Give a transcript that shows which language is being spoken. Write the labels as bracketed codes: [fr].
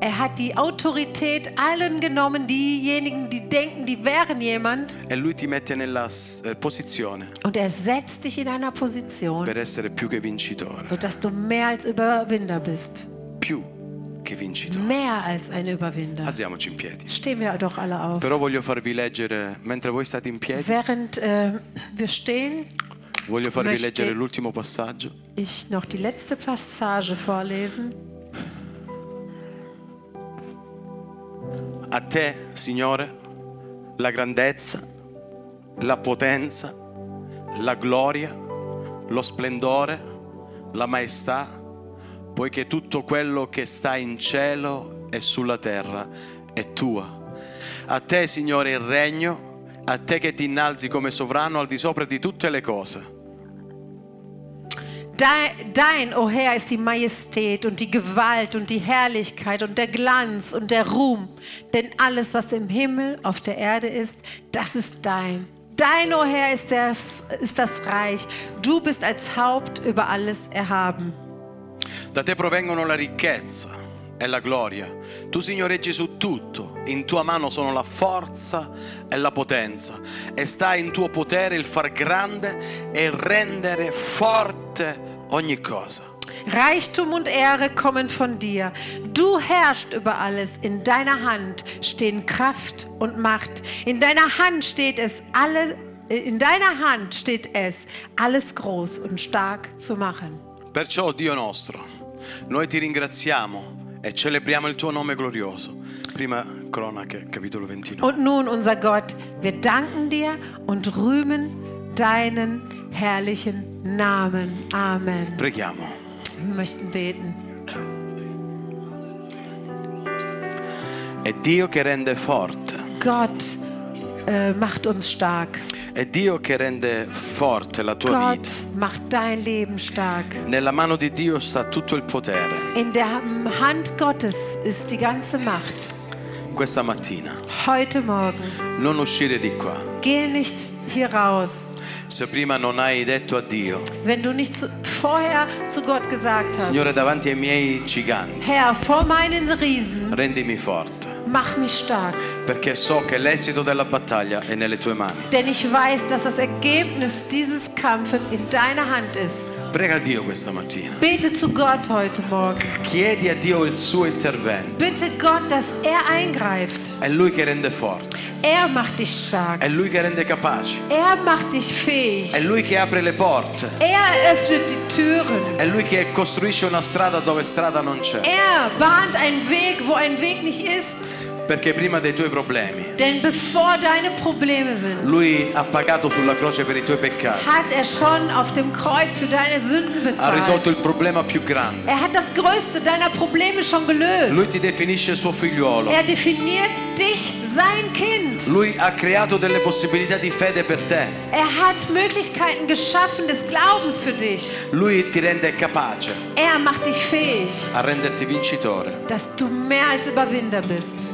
[de] Er hat die Autorität allen genommen, diejenigen, die denken, die wären jemand. [it] E lui ti mette nella posizione. [de] Und er setzt dich in einer Position. [it] Per essere più che vincitore. [de] So dass du mehr als Überwinder bist. [it] Più che vincitore. [de] Mehr als ein Überwinder. [it] Alziamoci in piedi. [de] Stehen wir doch alle auf. [it] Però voglio farvi leggere, mentre voi state in piedi. [de] Während wir stehen. [it] Voglio farvi leggere l'ultimo passaggio. [de] Ich noch die letzte Passage vorlesen. [it] A te, Signore, la grandezza, la potenza, la gloria, lo splendore, la maestà, poiché tutto quello che sta in cielo e sulla terra è tua. A te, Signore, il regno, a te che ti innalzi come sovrano al di sopra di tutte le cose. [de] Dein, o Herr, ist die Majestät und die Gewalt und die Herrlichkeit und der Glanz und der Ruhm. Denn alles, was im Himmel, auf der Erde ist, das ist dein. Dein, o Herr, ist das Reich. Du bist als Haupt über alles erhaben. [it] Da te provengono la ricchezza e la gloria. Tu signoreggi su tutto. In tua mano sono la forza e la potenza. E sta in tuo potere il far grande e rendere forte ogni cosa. [de] Reichtum und Ehre kommen von dir. Du herrschst über alles. In deiner Hand stehen Kraft und Macht. In deiner Hand steht es, alles groß und stark zu machen. [it] Perciò, Dio nostro, noi ti ringraziamo e celebriamo il tuo nome glorioso. Prima Cronache, capitolo 29. [de] Und nun, unser Gott, wir danken dir und rühmen deinen herrlichen Namen. Amen. [it] Preghiamo. [de] Wir möchten beten. [it] È Dio che rende forte. [de] Gott macht uns stark. [it] È Dio che rende forte la tua [de] Gott [it] vita. [de] Gott macht dein Leben stark. [it] Nella mano di Dio sta tutto il potere. [de] In der Hand Gottes ist die ganze Macht. [it] Questa mattina. [de] Heute Morgen. [it] Non uscire di qua. [de] Geh nicht hier raus. [it] Se prima non hai detto addio. [de] Wenn du nicht vorher zu Gott gesagt hast. [it] Signore, davanti ai miei giganti. [de] Herr, vor meinen Riesen. [it] Rendimi forte. [de] Mach mich stark. [it] Perché so che l'esito della battaglia è nelle tue mani. [de] Denn ich weiß, dass das Ergebnis dieses Kampfes in deiner Hand ist. [it] Prega a Dio questa mattina. [de] Bete zu Gott heute Morgen. [it] Chiedi a Dio il suo intervento. [de] Bitte Gott, dass er eingreift. [it] È lui che rende forte. [de] Er macht dich stark. [it] È lui che rende capace. [de] Er macht dich fähig. [it] È lui che apre le porte. [de] Er öffnet die Türen. [it] È lui che costruisce una strada dove strada non c'è. [de] Er bahnt einen Weg, wo ein Weg nicht ist. [it] Perché prima dei tuoi problemi. [de] Denn bevor deine Probleme sind. [it] Lui ha pagato sulla croce per i tuoi peccati. [de] Hat er schon auf dem Kreuz für deine Sünden bezahlt. [it] Ha risolto il problema più grande. [de] Er hat das größte deiner Probleme schon gelöst. [it] Lui ti definisce suo figliolo. [de] Er definiert dich sein Kind. [it] Lui ha creato delle possibilità di fede per te. [de] Er hat Möglichkeiten geschaffen des Glaubens für dich. [it] Lui ti rende capace. [de] Er macht dich fähig. [it] A renderti vincitore. [de] Dass du mehr als Überwinder bist.